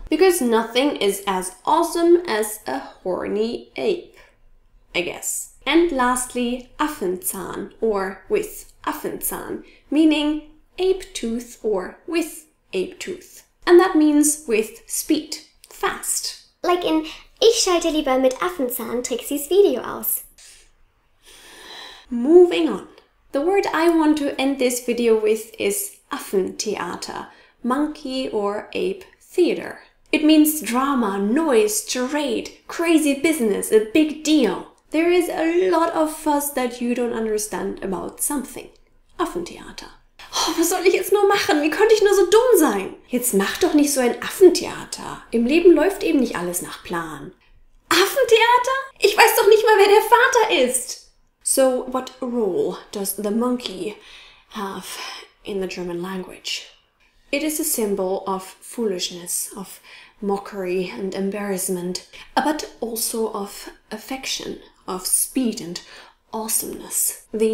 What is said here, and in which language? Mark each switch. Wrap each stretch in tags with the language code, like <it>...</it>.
<en>Because nothing is as awesome as a horny ape, I guess. And lastly, Affenzahn, or with Affenzahn, meaning ape tooth or with ape tooth. And that means with speed, fast. Like in</en> <de>Ich schalte lieber mit Affenzahn Trixis Video aus.</de> <en>Moving on. The word I want to end this video with is Affentheater, monkey or ape theater. It means drama, noise, charade, crazy business, a big deal. There is a lot of fuss that you don't understand about something.</en> <de>Affentheater. Oh, was soll ich jetzt nur machen? Wie konnte ich nur so dumm sein? Jetzt mach doch nicht so ein Affentheater. Im Leben läuft eben nicht alles nach Plan. Affentheater? Ich weiß doch nicht mal, wer der Vater ist.</de> <en>So, what role does the monkey have in the German language? It is a symbol of foolishness, of mockery and embarrassment, but also of affection, of speed and awesomeness.</en>